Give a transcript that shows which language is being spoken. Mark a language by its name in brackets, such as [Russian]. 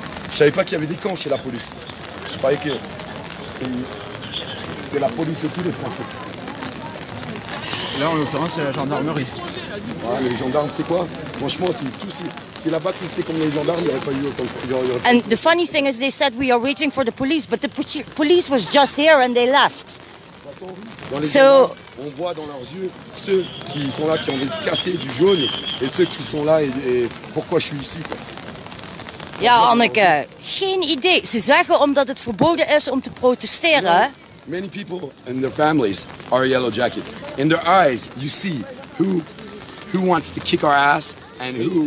[French] Je savais pas qu'il y avait des camps chez la police. Je croyais que c'était la police de tous les Français. Là, en l'occurrence, c'est la gendarmerie. Ah, les gendarmes, c'est quoi? Franchement, si là-bas, tout c'était comme les gendarmes, il n'y aurait pas eu autant de... [English] And the funny thing is they said we are waiting for the police, but the police was just here and they left. [French] Dans les gendarmes, on voit dans leurs yeux ceux qui sont là qui ont envie de casser du jaune et ceux qui sont là et pourquoi je suis ici, quoi. [Dutch] Ja, Anneke, geen idee. Ze zeggen omdat het verboden is om te protesteren. [English] Many people and their families are yellow jackets. In their eyes, you see who wants to kick our ass and who.